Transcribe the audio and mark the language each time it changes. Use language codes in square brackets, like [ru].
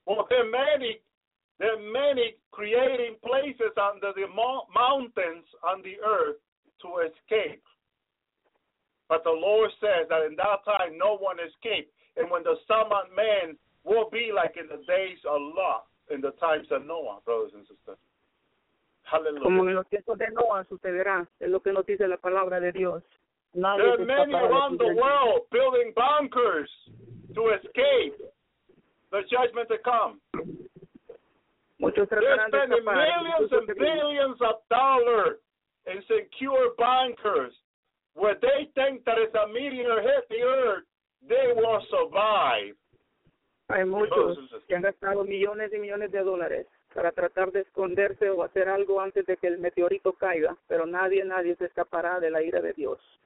[en] Well, there are many creating places under the mountains on the earth to escape. But the Lord says that in that time no one escaped. And when the Son of Man will be like in the days of Lot, in the times of Noah, brothers and sisters. Hallelujah. [es] Como en los tiempos de Noah sucederá, es lo que nos dice la palabra de Dios. Nadie [en] there are many around the world building bunkers to escape the judgment to come. They're spending millions and billions of dollars in secure bunkers where they think that if a meteor hit the earth, they will survive. [es] Hay muchos que han gastado millones y millones de dólares para tratar de esconderse o hacer algo antes de que el meteorito caiga, pero nadie se escapará de la ira de Dios.